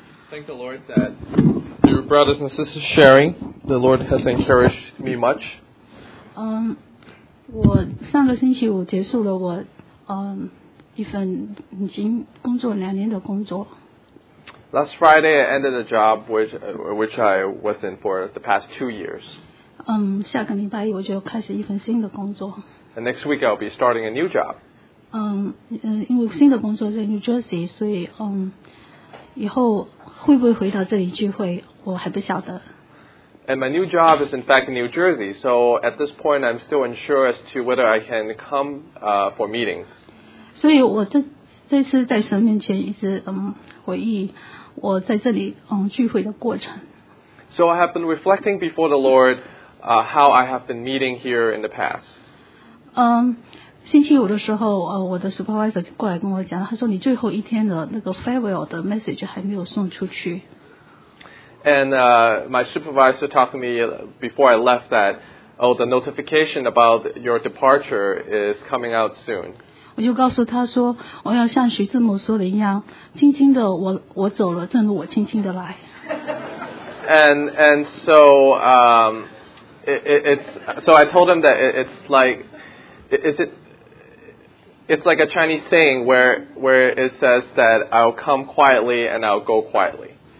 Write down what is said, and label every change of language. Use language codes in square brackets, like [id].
[en] Thank the Lord that your brothers and sisters sharing, the Lord has encouraged me much. [zh] 我上个星期五结束了我一份已经工作两年的工作。 [en] Last Friday, I ended a job which I was in for the past 2 years. [zh] 下个礼拜我就开始一份新的工作。 [en] And next week, I'll be starting a new job. [zh] 因为新的工作在 New Jersey, 所以 以后会不会回到这里聚会, 我还不晓得。 [en] And my new job is in fact in New Jersey, so at this point I'm still unsure as to whether I can come for meetings. [zh] 所以我这次在神面前一直 回忆我在这里 聚会的过程。 [en] So I have been reflecting before the Lord how I have been meeting here in the past. [zh] 星期五的时候, 我的 supervisor 过来跟我讲, 他说你最后一天的那个 farewell 的 message 还没有送出去。 [en] And my supervisor talked to me before I left that, oh, the notification about your departure is coming out soon. [zh] 我就告诉他说, 我要像徐志摩说的一样, 轻轻的我走了, 正如我轻轻的来。 [en] And so so I told him that it's like a Chinese saying where it says that I'll come quietly and I'll go quietly.